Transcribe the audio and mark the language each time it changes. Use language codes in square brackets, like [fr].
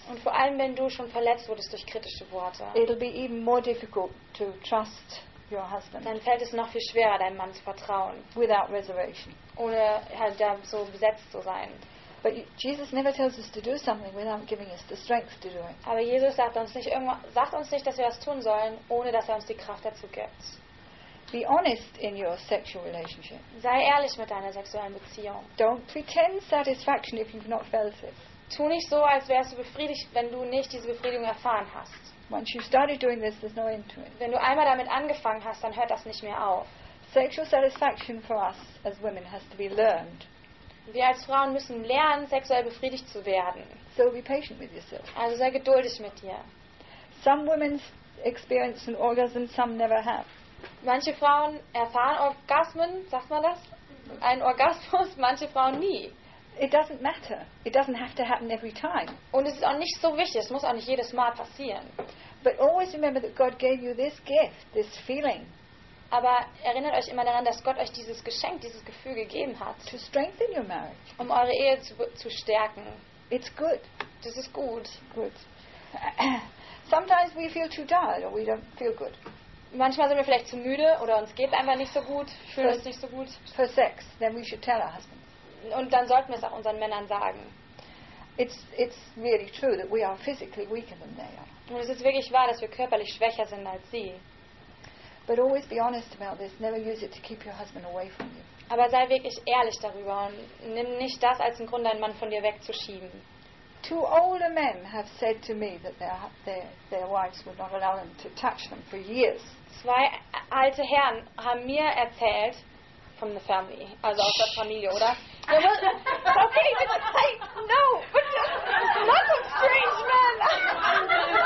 [de] Und vor allem, wenn du schon verletzt wurdest durch kritische Worte. [en] It'll be even more difficult to trust your husband. [de] Dann fällt es noch viel schwerer, deinem Mann zu vertrauen. [en] Without reservation. [de] Ohne halt da so besetzt zu sein. [en] But Jesus never tells us to do something without giving us the strength to do it. [de] Aber Jesus sagt uns nicht, dass wir was tun sollen, ohne dass er uns die Kraft dazu gibt. [en] Be honest in your sexual relationship. [de] Sei ehrlich mit deiner sexuellen Beziehung. [en] Don't pretend satisfaction if you've not felt it. [de] Tu nicht so, als wärst du befriedigt, wenn du nicht diese Befriedigung erfahren hast. [en] Once you've started doing this, there's no end to it. [de] Wenn du einmal damit angefangen hast, dann hört das nicht mehr auf. [en] Sexual satisfaction for us as women has to be learned. [de] Wir als Frauen müssen lernen, sexuell befriedigt zu werden. [en] So be patient with yourself. [de] Also sei geduldig mit dir. [en] Some women experience an orgasm, some never have. [de] Manche Frauen erfahren Orgasmen, sagt man das? Ein Orgasmus, manche Frauen nie. [en] It doesn't matter. It doesn't have to happen every time. [de] Und es ist auch nicht so wichtig, es muss auch nicht jedes Mal passieren. [en] But always remember that God gave you this gift, this feeling. [de] Aber erinnert euch immer daran, dass Gott euch dieses Geschenk, dieses Gefühl gegeben hat. [en] To strengthen your marriage. [de] Um eure Ehe zu stärken. [en] It's good. [de] Das ist gut. [en] Good. Sometimes we feel too dull or we don't feel good. [de] Manchmal sind wir vielleicht zu müde oder uns geht einfach nicht so gut, fühlen uns nicht so gut. [en] For sex, then we should tell our husbands. [de] Und dann sollten wir es auch unseren Männern sagen. [en] It's really true that we are physically weaker than they are. [de] Und es ist wirklich wahr, dass wir körperlich schwächer sind als sie. [en] But always be honest about this. Never use it to keep your husband away from you. [de] Aber sei wirklich ehrlich darüber und nimm nicht das als einen Grund, deinen Mann von dir wegzuschieben. [en] Two older men have said to me that their wives would not allow them to touch them for years. [de] Zwei alte Herren haben mir erzählt [en] from the family, [de] also aus der Familie, oder? [en] Okay, but hey, no, but not some strange men.